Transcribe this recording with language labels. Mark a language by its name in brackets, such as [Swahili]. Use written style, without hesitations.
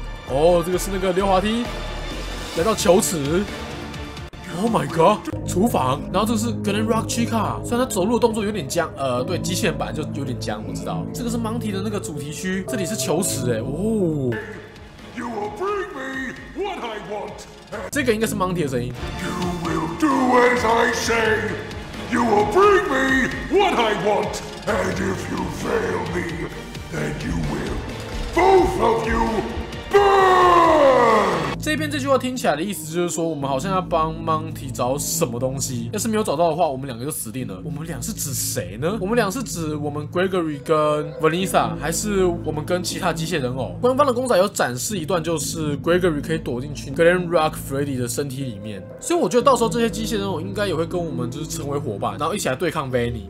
[Chinese] 哦，这个是那个溜滑梯，来到球池。 [English] Oh my god， [Chinese] 厨房。然后这个是 Glen Rock Chica， 虽然他走路的动作有点僵，对，机械人版就有点僵，我知道。这个是 Monty 的那个主题区，这里是球池、欸，哎，哦。 [English] You will bring me what I want. [Chinese] 这个应该是 Monty 的声音。 [English] You will do as I say. You will bring me what I want. And if you fail me, then you will both of you burn. [Chinese] 这边这句话听起来的意思就是说，我们好像要帮 Monty 找什么东西。要是没有找到的话，我们两个就死定了。我们俩是指谁呢？我们俩是指我们 Gregory 跟 Vanessa， 还是我们跟其他机械人偶？官方的公仔有展示一段，就是 Gregory 可以躲进去 Glen Rock Freddy 的身体里面，所以我觉得到时候这些机械人偶应该也会跟我们就是成为伙伴，然后一起来对抗 Vanny。